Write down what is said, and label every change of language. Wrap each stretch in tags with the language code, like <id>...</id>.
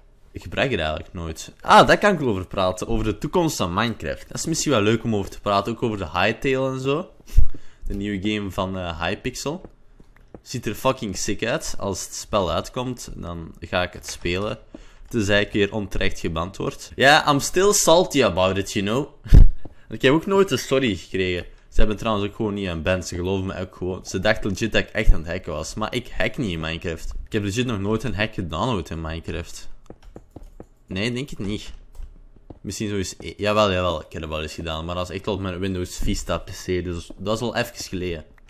<nl>Ik gebruik het eigenlijk nooit. Ah, daar kan ik over praten. Over de toekomst van Minecraft. Dat is misschien wel leuk om over te praten. Ook over de Hytale en zo. De nieuwe game van Hypixel. Ziet er fucking sick uit. Als het spel uitkomt, dan ga ik het spelen. Tenzij ik weer onterecht geband word.</nl> <en>Ja, yeah, I'm still salty about it, you know.</en> <nl>Ik heb ook nooit een story gekregen. Ze hebben trouwens ook gewoon niet een band. Ze geloven me ook gewoon. Ze dachten legit dat ik echt aan het hacken was. Maar ik hack niet in Minecraft. Ik heb legit nog nooit een hack gedownload in Minecraft. Nee, denk ik niet. Misschien zo eens... Jawel, ik heb het wel eens gedaan. Maar dat is echt al op mijn Windows Vista PC. Dus dat is al even geleden.</nl>